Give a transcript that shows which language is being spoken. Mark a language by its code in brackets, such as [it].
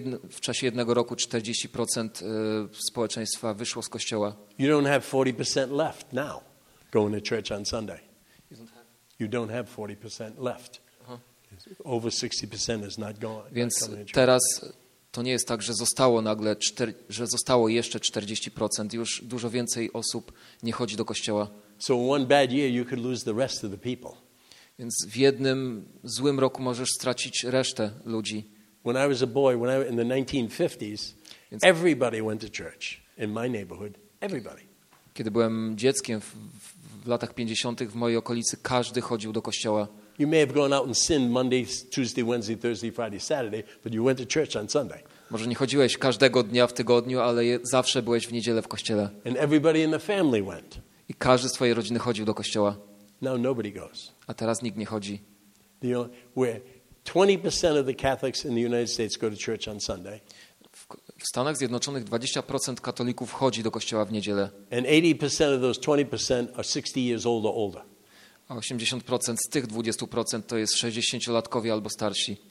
[pl] W czasie jednego roku 40% społeczeństwa wyszło z kościoła. [en] You don't have 40% left now going to church on Sunday. You don't have 40% left. Over 60% is not gone. [pl] Więc teraz to nie jest tak, że zostało nagle że zostało jeszcze 40%. Już dużo więcej osób nie chodzi do kościoła. [en] So one bad year you could lose the rest of the people. [pl] Więc w jednym złym roku możesz stracić resztę ludzi. [en] When I was a boy, in the 1950s, everybody went to church in my neighborhood. Everybody. [pl] Kiedy byłem dzieckiem w latach 50. w mojej okolicy, każdy chodził do kościoła. [en] You may have gone out and sinned Monday, Tuesday, Wednesday, Thursday, Friday, Saturday, but you went to church on Sunday. [pl] Może nie chodziłeś każdego dnia w tygodniu, ale zawsze byłeś w niedzielę w kościele. [en] And everybody in the family went. [pl] I każdy z twojej rodziny chodził do kościoła. [en] Now nobody goes. [pl] A teraz nikt nie chodzi. [en] Where 20% of the Catholics in the United States go to church on Sunday. [pl] W Stanach Zjednoczonych 20% katolików chodzi do kościoła w niedzielę. [en] And 80% of those 20% are 60 years old or older. [pl] A 80% z tych 20% to jest 60-latkowie albo starsi.